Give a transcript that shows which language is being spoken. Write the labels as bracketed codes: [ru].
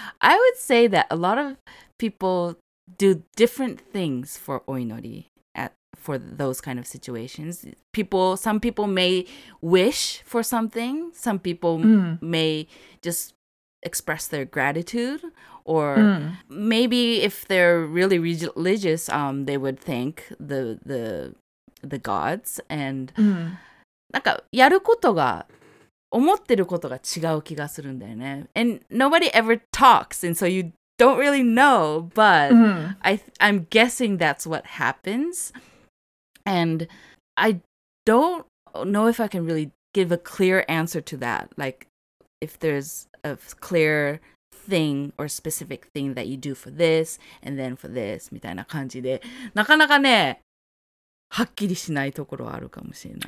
[en] I would say that a lot of people do different things for oinori for those kind of situations. Some people may wish for something. Some people may just express their gratitude, or maybe if they're really religious, they would thank the gods. [ja] And なんかやることが思ってることが違う気がするんだよね。 [en] And nobody ever talks, and so you don't really know, but I'm guessing that's what happens. And I don't know if I can really give a clear answer to that, like if there's a clear thing or specific thing that you do for this and then for this, [ja] みたいな感じで、なかなかね、はっきりしないところあるかもしれない。